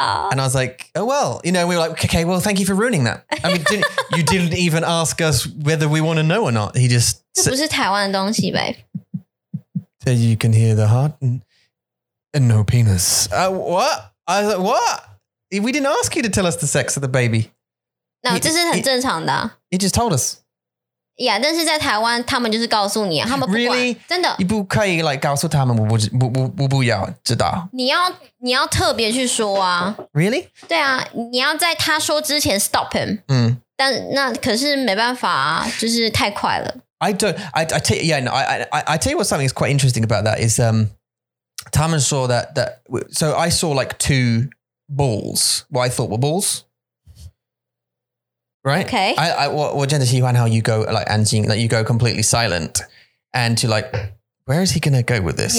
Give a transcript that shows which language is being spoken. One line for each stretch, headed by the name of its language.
English: And I was like, oh, well, you know, we were like, okay, well, thank you for ruining that. I mean, you didn't even ask us whether we want to know or not. He just
Chinese: said, 这不是台湾的东西, babe.
English: So you can hear the heart and no penis. What? I was like, what? We didn't ask you to tell us the sex of the baby. No, this is
Chinese: 很正常的.
English: He just told us.
Chinese: Yeah, 但是在台湾，他们就是告诉你，他们不管，
English: really?
Chinese: 真的，你不可以 like 告诉他们，我不要知道。你要特别去说啊。Really? 对啊，你要在他说之前
English: stop him.
Chinese: 但那可是没办法啊，就是太快了。I
English: don't. I tell you what something is quite interesting about that is Taman saw that. So I saw like two balls. What I thought were balls. Right. Okay. I gender Xi Huan, how you go like anjing, like you go completely silent and you're like, where is he gonna go with this?